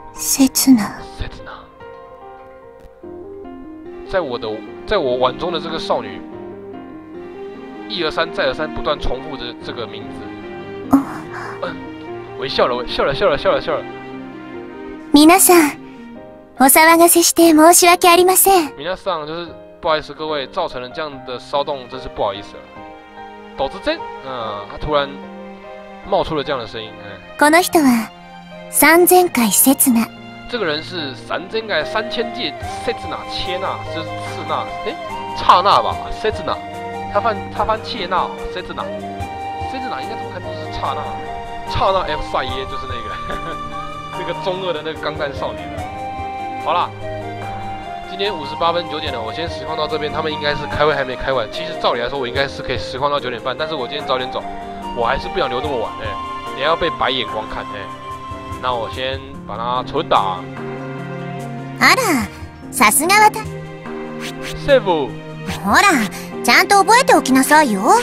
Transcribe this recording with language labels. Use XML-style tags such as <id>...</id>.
<ja>せつな。せつな。</ja> <zh>在我碗中的这个少女，一而三，再而三，不断重复着这个名字。微笑了，微笑了，笑了，笑了，笑了。</zh> <ja>皆さん。お騒がせして申し訳ありません。皆さん、</ja> <zh>就是不好意思，各位造成了这样的骚动，真是不好意思了。突然，他突然冒出了这样的声音。</zh> <ja>この人は三千回刹那。</ja> <zh>这个人是三千回三千界刹那切那，是刹那，刹那吧？刹那，他翻切那，刹那，刹那应该怎么看都是刹那，刹那 F 赛耶就是那个那个中二的那个钢弹少年。好啦，今天58分9点了，我先实况到这边，他们应该是开会还没开完。其实照理来说，我应该是可以实况到9点半，但是我今天早点走，我还是不想留这么晚，也要被白眼光看，那我先把它存档。</zh> <ja>あら、さすがはた。セーブ。ほら、ちゃんと覚えておきなさいよ。</ja>